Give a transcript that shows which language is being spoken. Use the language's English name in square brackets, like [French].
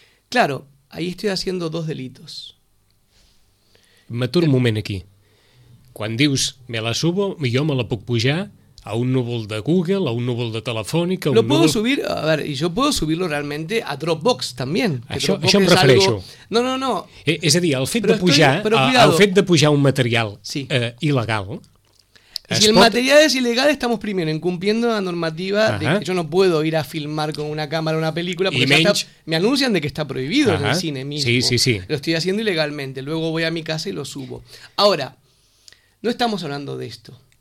[Spanish] Claro, ahí estoy haciendo dos delitos. [Catalan] M'aturo un moment aquí. Quan dius, [Spanish] me la subo, [Catalan] jo me la puc pujar a un núvol de Google, a un núvol de Telefónica... [Spanish] Yo puedo subirlo realmente a Dropbox también. [Catalan] Això em refereixo. No. És a dir, el fet de pujar un material il·legal... [Spanish] Si el material es ilegal, estamos primero incumpliendo la normativa de que yo no puedo ir a filmar con una cámara una película porque me anuncian de que está prohibido en el cine mismo. Sí. Lo estoy haciendo ilegalmente. Luego voy a mi casa y lo subo. Ahora, no estamos hablando de esto.